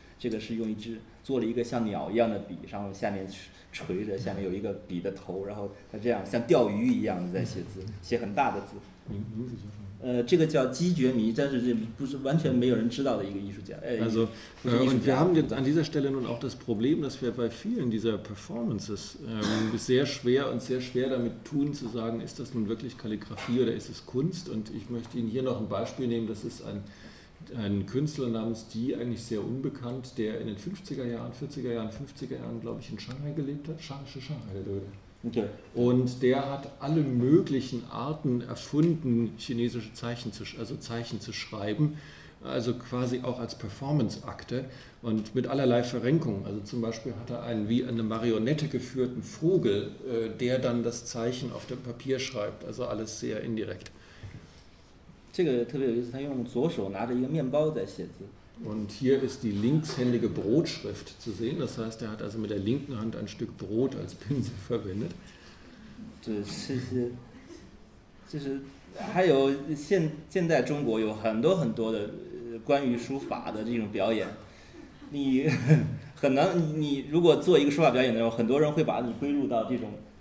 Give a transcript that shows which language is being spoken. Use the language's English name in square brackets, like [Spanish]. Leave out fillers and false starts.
[Chinese] 这个是用一支做了一个像鸟一样的笔，然后下面垂着，下面有一个笔的头，然后他这样像钓鱼一样的在写字，写很大的字。这个叫姬觉迷，但是这不是完全没有人知道的一个艺术家。 [German] Also, und wir haben jetzt an dieser Stelle nun auch das Problem, dass wir bei vielen dieser Performances sehr schwer damit tun zu sagen, ist das nun wirklich Kalligraphie oder ist es Kunst? Und ich möchte Ihnen hier noch ein Beispiel nehmen. Das ist ein Künstler namens Di, eigentlich sehr unbekannt, der in den 50er Jahren, glaube ich, in Shanghai gelebt hat. Shanghai. Und der hat alle möglichen Arten erfunden, chinesische Zeichen zu schreiben, also quasi auch als Performance-Akte und mit allerlei Verrenkungen. Also zum Beispiel hat er einen wie eine Marionette geführten Vogel, der dann das Zeichen auf dem Papier schreibt, also alles sehr indirekt. [Chinese] 这个特别有意思，他用左手拿着一个面包在写字。 [German] Und hier ist die linkshändige Brotschrift zu sehen. Das heißt, er hat also mit der linken Hand ein Stück Brot als Pinsel verwendet. [Chinese] 对，就是还有现代中国有很多很多的关于书法的这种表演。你很难，你如果做一个书法表演的时候，很多人会把你归入到这种。